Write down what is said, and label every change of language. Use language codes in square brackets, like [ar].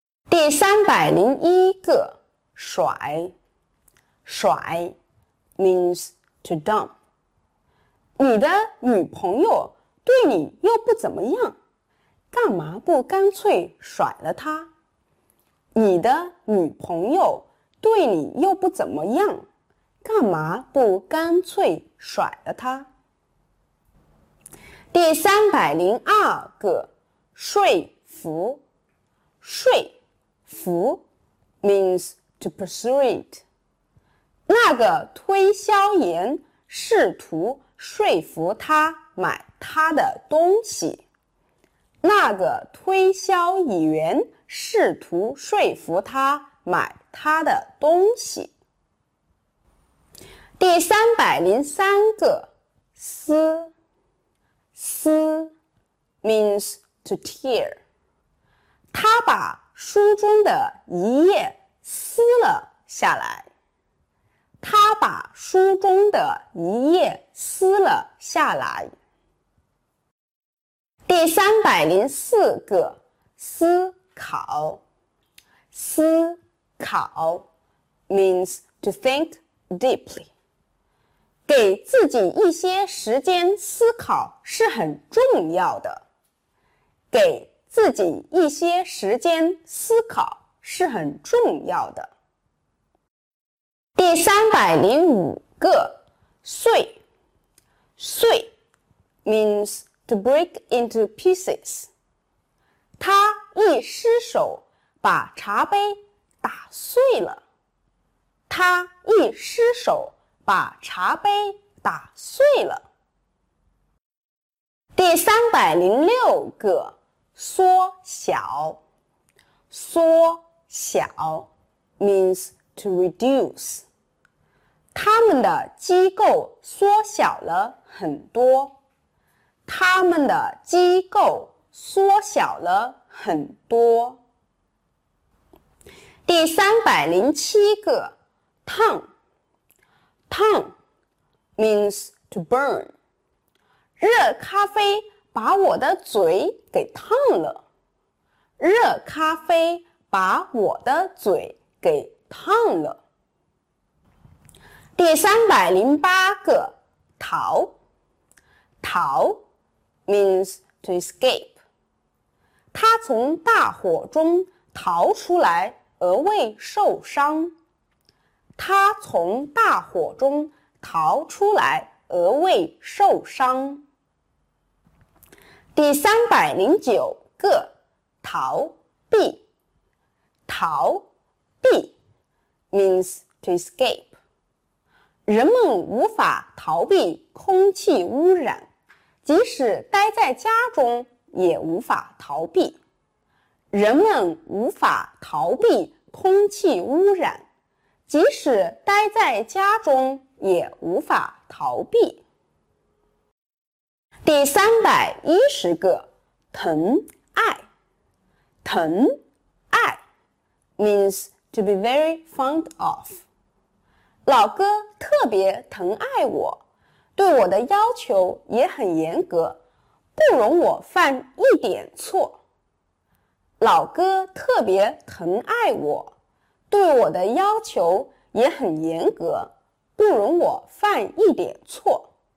[zh] 第301个甩甩 [en] means to dump. [zh] 你的女朋友对你又不怎么样，干嘛不干脆甩了她？你的女朋友对你又不怎么样，干嘛不干脆甩了她？第302个说服说服 [en] means to persuade. [zh] 那个推销员试图说服他买他的东西。那个推销员试图说服他买他的东西。第303个撕撕 [en] means to tear. [zh] 他把书中的一页撕了下来。他把书中的一页撕了下来。第304个思考。 [en] 思考 means to think deeply. [zh] 给自己一些时间思考是很重要的。给自己一些时间思考是很重要的。第305个碎碎 [en] means to break into pieces. [zh] 他一失手把茶杯打碎了。他一失手把茶杯打碎了。第306个缩小缩小 [en] means to reduce. [zh] 他们的机构缩小了很多。他们的机构缩小了很多。第307个烫烫 [en] means to burn. [zh] 热咖啡把我的嘴给烫了。热咖啡把我的嘴给烫了。第308个逃逃 [en] means to escape. [zh] 他从大火中逃出来而未受伤。他从大火中逃出来而未受伤。第309个逃避逃避 [en] means to escape. [zh] 人们无法逃避空气污染，即使待在家中也无法逃避。人们无法逃避空气污染，即使待在家中也无法逃避。第310个疼爱疼爱 [en] means to be very fond of. [zh] 老哥特别疼爱我，对我的要求也很严格，不容我犯一点错。老哥特别疼爱我，对我的要求也很严格，不容我犯一点错。